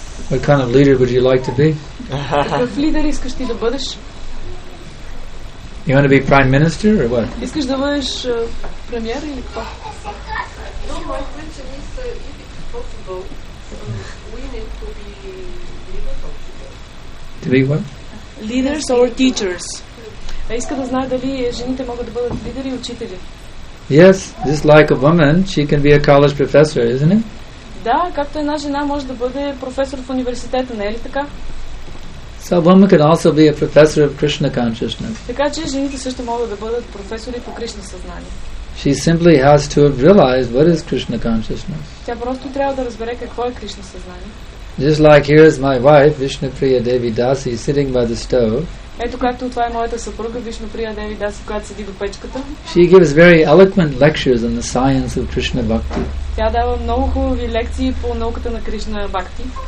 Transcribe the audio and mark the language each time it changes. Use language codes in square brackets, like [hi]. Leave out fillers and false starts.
[en] What kind of leader would you like to be? [bg] Какъв лидер искаш ти да бъдеш? [en] You want to be prime minister or what? [bg] Искаш да бъдеш премиер или какво? [en] No, my question is, if it's possible, women to be leaders. To be what? Leaders or teachers. [bg] Иска да знае дали жените могат да бъдат лидери и учители. [en] Yes, just like a woman, she can be a college professor, isn't it? [bg] Да, както една жена може да бъде професор в университета, не е ли така? [en] So a woman can also be a professor of Krishna consciousness. [bg] Така че жените също могат да бъдат професори по Кришна съзнание. [en] She simply has to have realized what is Krishna consciousness. [bg] Тя просто трябва да разбере какво е Кришна съзнание. [en] Just like here is my wife, Vishnupriya Devi Dasi, sitting by the stove. [bg] Ето както това е моята съпруга Вишнуприя Деви Даси, която седи до печката. [en] She gives very eloquent lectures on the science of Krishna Bhakti. [bg] Тя дава много хубави лекции по науката на Кришна Бхакти.